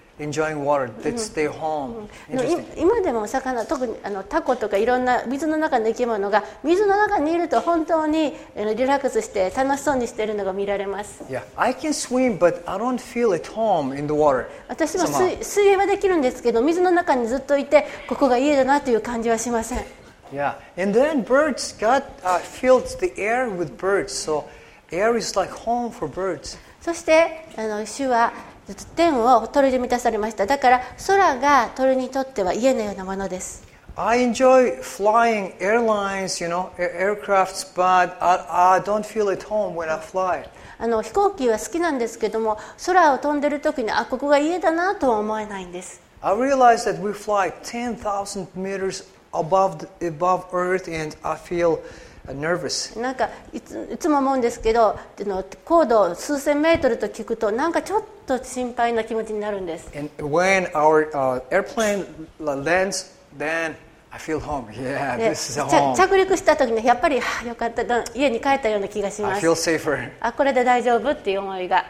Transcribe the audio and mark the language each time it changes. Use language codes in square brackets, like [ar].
[en] Enjoying water, that's their home. [ja] 今でも魚、特にタコとかいろんな水の中の生き物が水の中にいると本当にリラックスして楽しそうにしているのが見られます。 [en] Yeah, I can swim, but I don't feel at home in the water. [ja] 私も水泳はできるんですけど、水の中にずっといてここが家だなという感じはしません。 [en] Yeah, and then birds, God fills the air with birds, so air is like home for birds. [ja] そして主は天を鳥で満たされました。だから空が鳥にとっては家のようなものです。 [en] I enjoy flying airlines, you know, aircrafts, but I don't feel at home when I fly. [ja] 飛行機は好きなんですけども、空を飛んでる時にあ、ここが家だなとは思えないんです。 [en] I realize that we fly 10,000 meters above Earth and I feel nervous. [ja] なんかいつも思うんですけど、高度数千メートルと聞くとなんかちょっとと心配な気持ちになるんです。 [en] And when our airplane lands, then I feel home. Yeah, this is home. [ja] 着陸した時にやっぱりよかった、家に帰ったような気がします。 [en] I feel safer. [ja] あ、これで大丈夫っていう思いが。